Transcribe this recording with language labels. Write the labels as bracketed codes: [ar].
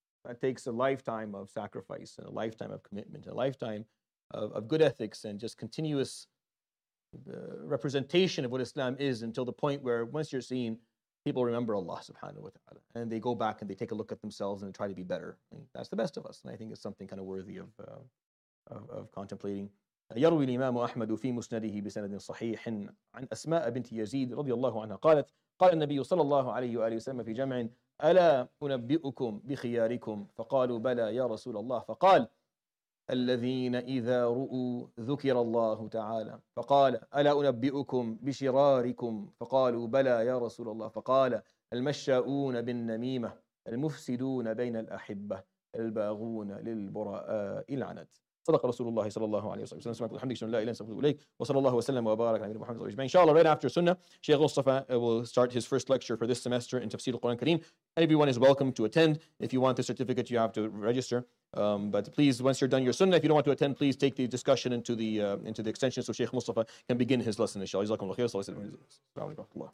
[en] That takes a lifetime of sacrifice and a lifetime of commitment, and a lifetime of good ethics and just continuous representation of what Islam is, until the point where once you're seen, people remember Allah subhanahu wa ta'ala and they go back and they take a look at themselves and try to be better. And that's the best of us. And I think it's something kind of worthy of contemplating. [ar] يروي الإمام أحمد في مسنده بسند صحيح عن أسماء بنت يزيد رضي الله عنها قالت قال النبي صلى الله عليه وآله وسلم في جمع ألا أنبئكم بخياركم فقالوا بلى يا رسول الله فقال الذين إذا رؤوا ذكر الله تعالى فقال ألا أنبئكم بشراركم فقالوا بلى يا رسول الله فقال المشاؤون بالنميمة المفسدون بين الأحبة الباغون للبراء العنت. صدق رسول الله صلى الله عليه وسلم. سمعت الحمد لله لا إله إلا الله وإليك وصلى الله وسلم وبارك على نبينا محمد صلى الله عليه وسلم. إن شاء الله [en] right after Sunnah, Sheikh Mustafa will start his first lecture for this semester in Tafsir al-Quran Kareem. Everyone is welcome to attend. If you want the certificate, you have to register. But please, once you're done your sunnah, if you don't want to attend, please take the discussion into the extension so Sheikh Mustafa can begin his lesson, inshallah. JazakAllah khair.